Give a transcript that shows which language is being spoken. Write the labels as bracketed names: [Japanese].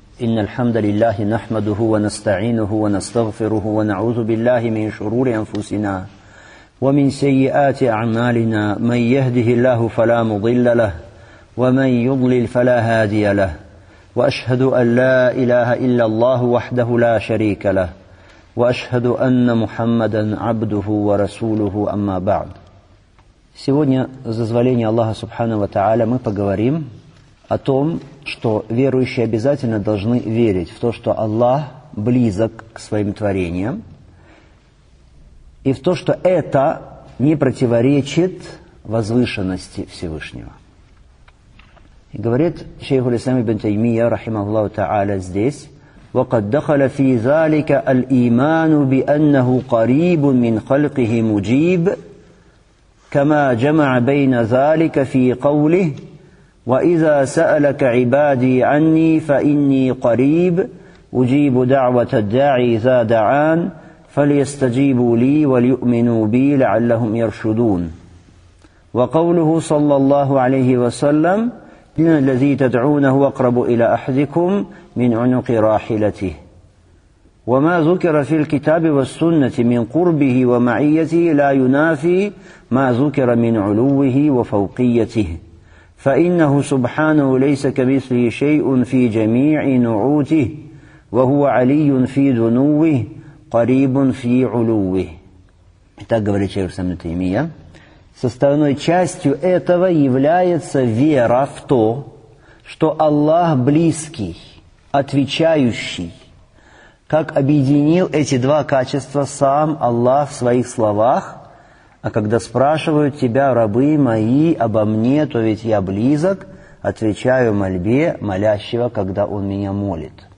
[Arabic] إن الحمد لله نحمده ونستعينه ونستغفره ونعوذ بالله من شرور أنفسنا ومن سيئات أعمالنا، من يهده الله فلا مضل له ومن يضلل فلا هادي له، وأشهد أن لا إله إلا الله وحده لا شريك له، وأشهد أن محمدا عبده ورسوله، أما بعد. [Russian] Сегодня, с дозволения Аллаха Субхану ва Тааля, мы поговорим о том, что верующие обязательно должны верить в то, что Аллах близок к своим творениям, и в то, что это не противоречит возвышенности Всевышнего. И говорит шейх аль-Ислам ибн Таймия, рахимахуллаху тааля, здесь: [Arabic] وَقَدْ دَخَلَ فِي ذَلِكَ الْإِيمَانُ بِأَنَّهُ قَرِيبٌ مِّنْ خَلْقِهِ مُجِيبٌ كَمَا جَمَعَ بَيْنَ ذَلِكَ فِي قَوْلِهِ وَإِذَا سَأَلَكَ عِبَادِي عَنِّي فَإِنِّي قَرِيبٌ أُجِيبُ دَعْوَةَ الدَّاعِ إِذَا دَعَانِ فَلْيَسْتَجِيبُوا لِي وَلْيُؤْمِنُوا بِي لَعَلَّهُمْ يَرْشُدُونَ. وَقَوْلُهُ صَلَّى اللَّهُ عَلَيْهِ وَسَلَّمَ: إِنَّ الَّذِي تَدْعُونَهُ أَقْرَبُ إِلَى أَحَدِكُمْ مِنْ عُنُقِ رَاحِلَتِهِ وَمَا ذُكِرَ فِي الْكِتَابِ وَالسُّنَّةِ مِنْ قُرْبِهِ وَمَعِيَّتِهِ لَا يُنَافِي مَا ذُكِرَ مِنْ عُلُوِّهِ وَفَوْقِيَّتِهِ فإنه سبحانه ليس كمثله شيء في جميع نعوته وهو علي في دنوه قريب في علوه. [Russian] Итак, говорит шейх Ибн Таймия, составной частью этого является вера в то, что Аллах близкий, отвечающий. Как объединил эти два качества сам Аллах в своих словах: а когда спрашивают тебя, рабы мои, обо мне, то ведь я близок, отвечаю мольбе молящего, когда он меня молит.